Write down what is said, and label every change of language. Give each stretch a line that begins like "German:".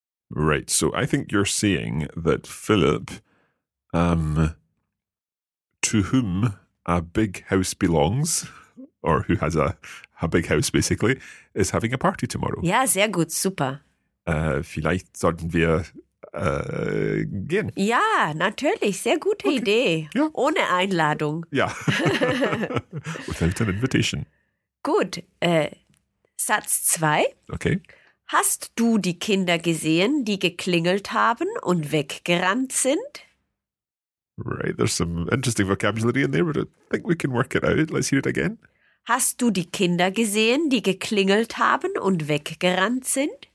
English: Right, so I think you're saying that Philipp, to whom a big house belongs, or who has a big house, basically, is having a party tomorrow.
German: Ja, sehr gut, super. vielleicht sollten wir gehen. Ja, natürlich. Sehr gute okay. Idee. Ja. Ohne Einladung. Ja.
English: Without an invitation.
German: Gut. Satz 2.
English: Okay.
German: Hast du die Kinder gesehen, die geklingelt haben und weggerannt sind?
English: Right, there's some interesting vocabulary in there, but I think we can work it out. Let's hear it again.
German: Hast du die Kinder gesehen, die geklingelt haben und weggerannt sind?